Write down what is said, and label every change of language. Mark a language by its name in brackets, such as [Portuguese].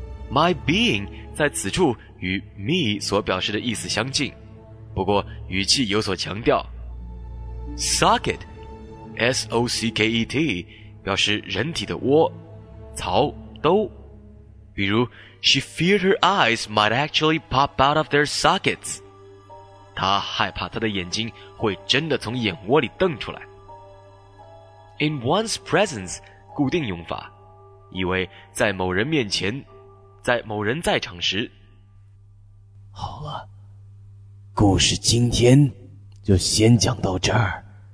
[English] My being [Chinese] 在此处与 me 所表示的意思相近，不过语气有所强调。 [English] Socket, [Chinese] S-O-C-K-E-T, 表示人体的窝、槽、兜。比如 [English] She feared her eyes might actually pop out of their sockets. [Chinese] 她害怕她的眼睛会真的从眼窝里瞪出来。 [English] In one's presence, [Chinese] 固定用法，意为在某人面前，在某人在场时。好了，故事今天就先讲到这儿。